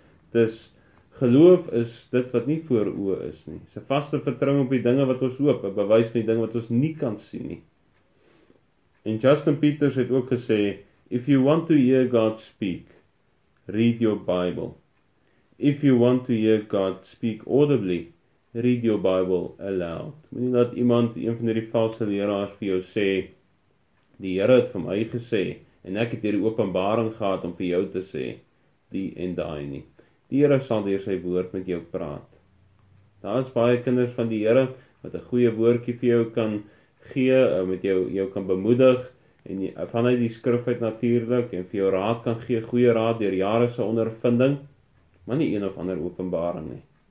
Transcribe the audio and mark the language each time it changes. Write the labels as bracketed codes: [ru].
[af] Dis geloof is dit wat nie voor oë is nie. Dis 'n vaste vertrouwing op die dinge wat ons hoop, 'n bewys van die dinge wat ons nie kan sien nie. En Justin Peters het ook gesê, [en] if you want to hear God speak, read your Bible. If you want to hear God speak audibly, read your Bible aloud. [af] Moet nie dat iemand, een van die valse leraars vir jou sê, die Here het vir my gesê, en ek het hierdie openbaring gehad om vir jou te sê, die en daai nie. Die Here sal deur sy woord met jou praat. Daar is baie kinders van die Here wat 'n goeie woordjie vir jou kan gee, met jou kan bemoedig, en vanuit die skrif uit natuurlik, en vir jou raad kan gee, goeie raad deur jare se ondervinding, maar nie een of ander openbaring nie.